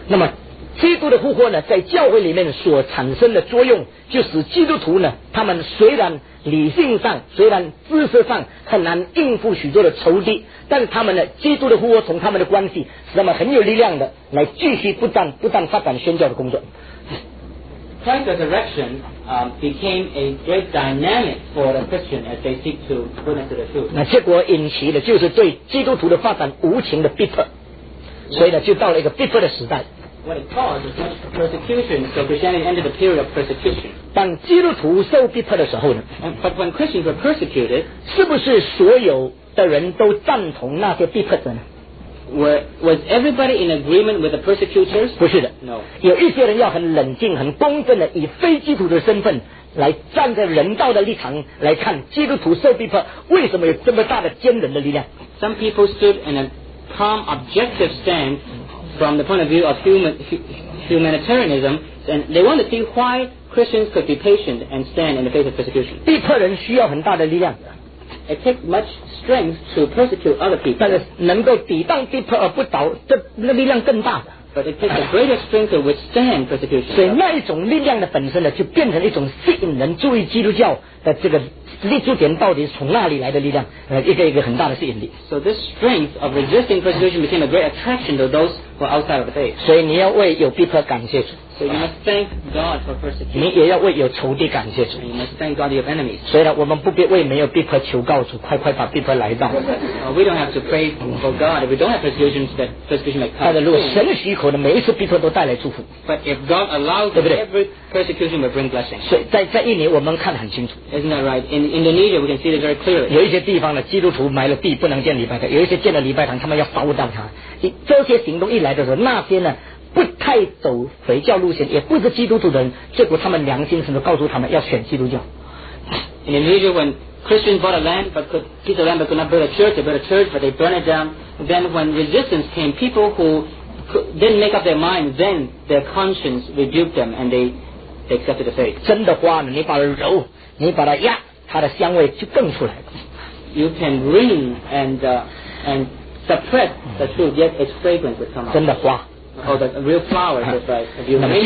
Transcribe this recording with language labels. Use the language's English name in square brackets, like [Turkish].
[Chinese] 那么，基督的复活呢，在教会里面所产生的作用，就使基督徒呢，他们虽然理性上、虽然知识上很难应付许多的仇敌，但是他们呢，基督的复活从他们的关系，使他们很有力量的来继续不断发展宣教的工作。 [English] Christ's resurrection became a great dynamic for the Christian as they seek to witness to the truth. [Chinese] 那结果引起的就是对基督徒的发展无情的逼迫，所以呢，就到了一个逼迫的时代。 [English] What it caused was much persecution, so Christianity ended a period of persecution. [Chinese] 当基督徒受逼迫的时候呢 [English] ？But when Christians were persecuted, [Chinese] 是不是所有的人都赞同那些逼迫者呢？ [English] Was everybody in agreement with the persecutors? [Chinese] 不是的。 [English] No. [Chinese] 有一些人要很冷静、很公正的，以非基督徒的身份来站在人道的立场来看基督徒受逼迫为什么有这么大的坚韧的力量。 [English] Some people stood in a calm, objective stand from the point of view of humanitarianism, and they wanted to see why Christians could be patient and stand in the face of persecution. [Chinese] 逼迫人需要很大的力量。 [English] It takes much strength to persecute other people. [Chinese] 但是能够抵挡逼迫而不倒，这那力量更大的。 [English] But it takes a greater strength to withstand persecution. [Chinese] 所以那一种力量的本身呢，就变成一种吸引人注意基督教的这个立足点到底是从哪里来的力量，一个很大的吸引力。 [English] So this strength of resisting persecution became a great attraction to those who are outside of the faith. [Chinese] 所以你要为有逼迫感谢主。 [English] So you must thank God for persecution. [Chinese] 你也要为有仇敌感谢主。 [English] You must thank God for your enemies. [Chinese] 所以呢，我们不必为没有逼迫求告主，快快把逼迫来到。 [English] We don't have to pray for God if we don't have persecution that persecution may come. [Chinese] 但是如果神许可的每一次逼迫都带来祝福。 [English] But if God allows, [Chinese] 对不对？ [English] Every persecution will bring blessing. [Chinese] 所以在印尼我们看得很清楚。 [English] Isn't that right? In Indonesia, we can see it very clearly. [Chinese] 有一些地方呢，基督徒埋了地不能建礼拜堂，有一些建了礼拜堂，他们要烧掉它。这些行动一来的时候，那些呢？不太走回教路线，也不是基督徒的人，结果他们良心甚至告诉他们要选基督教。 [English] In Indonesia, when Christians bought a land but could keep the land but could not build a church, they built a church but they burned it down. Then when resistance came, people who didn't make up their mind, then their conscience rebuked them and they accepted the faith. [Chinese] 真的花呢，你把它揉，你把它压，它的香味就更出来了。 [English] You can wring and suppress the truth, yet its fragrance will come out. [Chinese] 真的花。 [English] Oh, the real flower, that's right. If you